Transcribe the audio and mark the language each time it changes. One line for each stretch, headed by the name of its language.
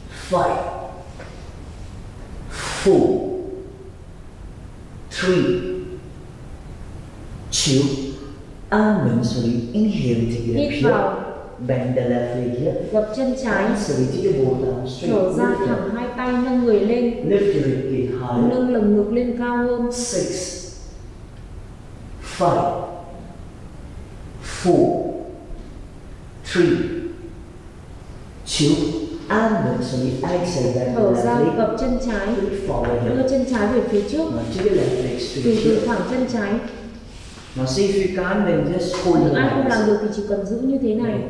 English: Five. Four. Three. Two.
Vietnamese: An vững xuống.
English: Inhale to get up here. Bend the left leg here.
Vietnamese: Gập chân trái.
English: Sorry, take your ball down straight.
Vietnamese: Trở ra thẳng hai tay nâng người lên.
English: Lift your leg higher.
Vietnamese: Nâng lồng ngực lên cao hơn.
English: Six. Five, four, three, two, and then so we exhale back to the left leg.
Vietnamese: Gập chân trái.
English: Forward.
Vietnamese: Đưa chân trái về phía trước.
English: Now take your left leg straight.
Vietnamese: Từ từ thẳng chân trái.
English: Now see if you can, then just hold your hands.
Vietnamese: Ai không làm được thì chỉ cần giữ như thế này.